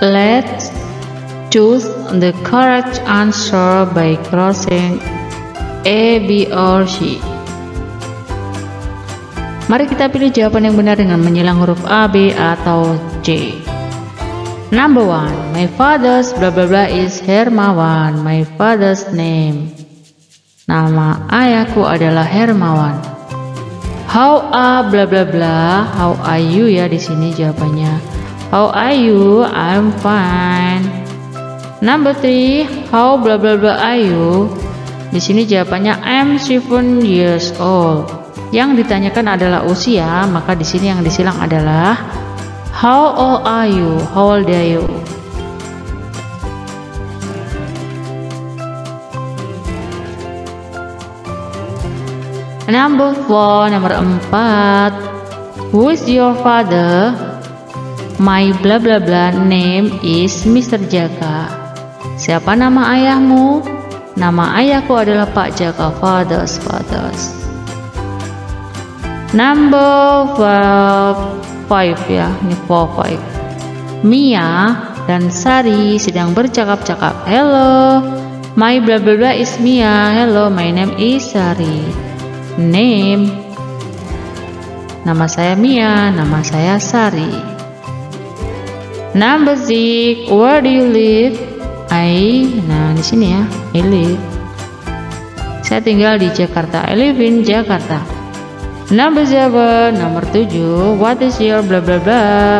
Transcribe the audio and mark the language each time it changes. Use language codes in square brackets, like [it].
[en] Let's choose the correct answer by crossing A, B, or C. [id] Mari kita pilih jawaban yang benar dengan menyilang huruf A, B, atau C. [en] Number 1. My father's blah blah blah is Hermawan. My father's name. [id] Nama ayahku adalah Hermawan. [en] How are blah blah blah? How are you [id] ya di sini jawabannya. [en] How are you? I'm fine. Number 3. How blah blah blah are you? [id] Di sini jawabannya [en] I'm 7 years old. [id] Yang ditanyakan adalah usia, maka di sini yang disilang adalah [en] how old are you? How old are you? Number 4, number 4. Who is your father? My blah blah blah name is Mr. [id] Jaka. Siapa nama ayahmu? Nama ayahku adalah Pak Jaka. [en] Father's, father's. Number 5 ya, ini 4, 5. [id] Mia dan Sari sedang bercakap-cakap. [en] Hello, my blah blah blah is Mia. Hello, my name is Sari. [id] Name, nama saya Mia, nama saya Sari. [en] Number 6, where do you live? [id] Di sini ya, [en] I live. [id] Saya tinggal di Jakarta, [en] I live in Jakarta. [id] Number 7, number 7. [en] What is your blah blah blah?